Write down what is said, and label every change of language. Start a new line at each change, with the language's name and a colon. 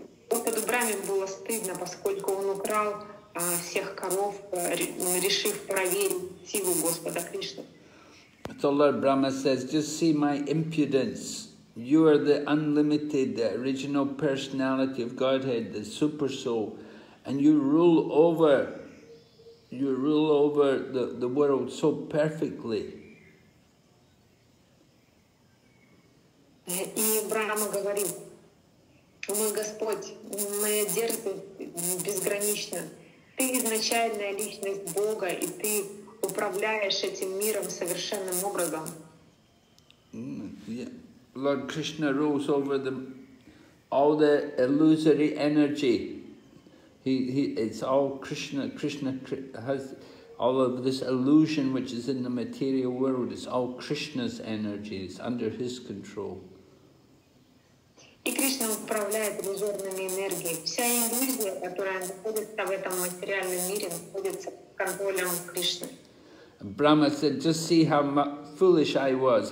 Russian: Господу Браме было стыдно, поскольку он украл всех коров, решив проверить силу Господа Кришны.
English: So Lord Brahma says, just see my impudence. You are the unlimited, the original personality of Godhead, the super soul, and you rule over the world so perfectly.
Russian: И Брама говорит: мой Господь, моя дерзость безгранична. Ты изначальная личность Бога, и ты управляешь этим миром совершенным образом.
English: Lord Krishna rules over all the illusory energy. It's all Krishna. Krishna has all of this illusion which is in the material world. It's all Krishna's energy. It's under his control.
Russian: И Кришна управляет иллюзорными энергиями. Вся иллюзия, которая находится в этом материальном мире, находится под контролем Кришны.
English: Brahma said, "Just see how foolish I was.